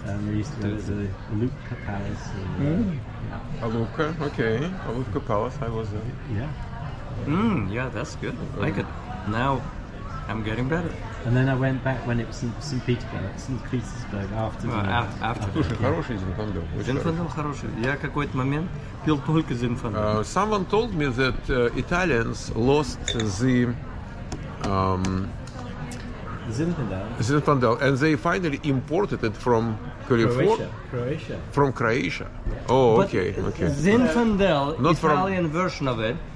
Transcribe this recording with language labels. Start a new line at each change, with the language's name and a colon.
English: And we used to go to the Lubka Palace. Lubka, okay. Lubka Palace, I was there. Yeah. Yeah, that's good. Like it. Now... I'm getting better. And then I went back when it was St. Petersburg after Zinfandel.
Russian: Слушай, хороший Зинфандел. Зинфандел хороший. Я какой-то момент пил только Зинфандел.
English: Someone told me that Italians lost the... Zinfandel. And they finally imported it from California. Croatia. From Croatia. Yeah. Oh, okay. Zinfandel, Italian version of it,